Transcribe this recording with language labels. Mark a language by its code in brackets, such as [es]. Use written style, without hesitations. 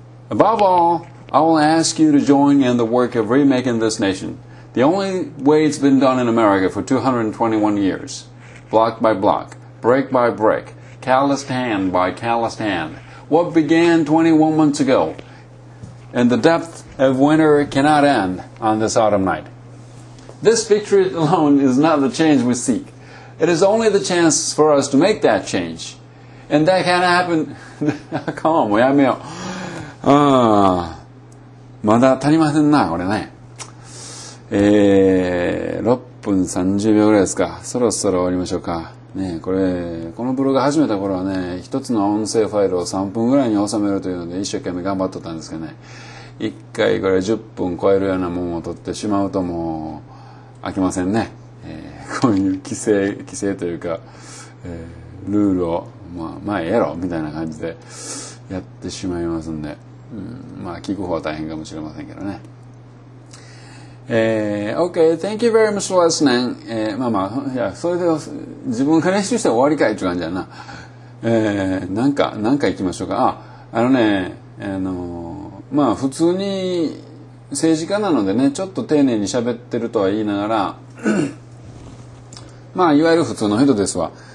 [en] Above all, I will ask you to join in the work of remaking this nation, the only way it's been done in America for 221 years, block by block, brick by brick, calloused hand by calloused hand. What began 21 months ago in the depth of winter cannot end on this autumn night. This victory alone is not the change we seek. It is only the chance for us to make that change. And that can happen. Come on, I mean, [ja] まだ足りませんな、これね。 6分30秒ぐらいですか。そろそろ終わりましょうか。ね、これ、このブログ始めた頃はね、一つの音声ファイルを3分ぐらいに収めるというので、一生懸命頑張っとったんですけどね。一回これ10分超えるようなものを取ってしまうともう、飽きませんね。こういう規制というか、ルールを、まあ、ええやろ、みたいな感じで。やってしまいますんで、まあ聞く方は大変かもしれませんけどね。 [en] OK, thank you very much for listening. [ja] それで自分が練習して終わりかいって感じやな。なんか行きましょうか。まあ普通に政治家なのでね、ちょっと丁寧に喋ってるとは言いながら、まあいわゆる普通の人ですわ。